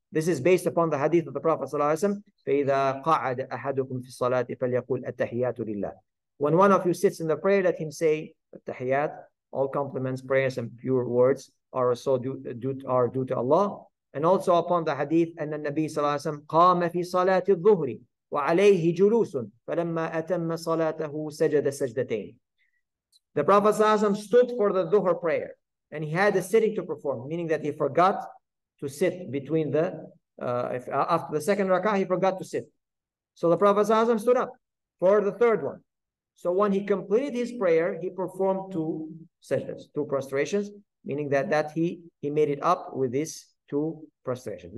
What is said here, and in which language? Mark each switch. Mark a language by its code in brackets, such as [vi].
[en] This is based upon the hadith of the Prophet sallallahu alaihi wasallam, [ar] فَإِذَا قَعَدَ أَحَدُكُمْ فِي الصَّلَاةِ فَلْيَقُلْ أَتَّحِيَاتُ لِلَّهِ. [en] When one of you sits in the prayer, let him say التحيات, all compliments, prayers, and pure words are also due to Allah. And also upon the hadith, and the Nabi [ar] صلى الله عليه وسلم قام في صلاة الظهر وعليه جلوس فلما أتم صلاته سجد سجدتين. [en] The Prophet [ar] صلى الله عليه وسلم [en] stood for the Dhuhr prayer, and he had a sitting to perform, meaning that he forgot to sit between the after the second rakah, he forgot to sit. So the Prophet [ar] صلى الله عليه وسلم [en] stood up for the third one. So when he completed his prayer, he performed two sajdas, two prostrations, meaning that he made it up with this to prostration.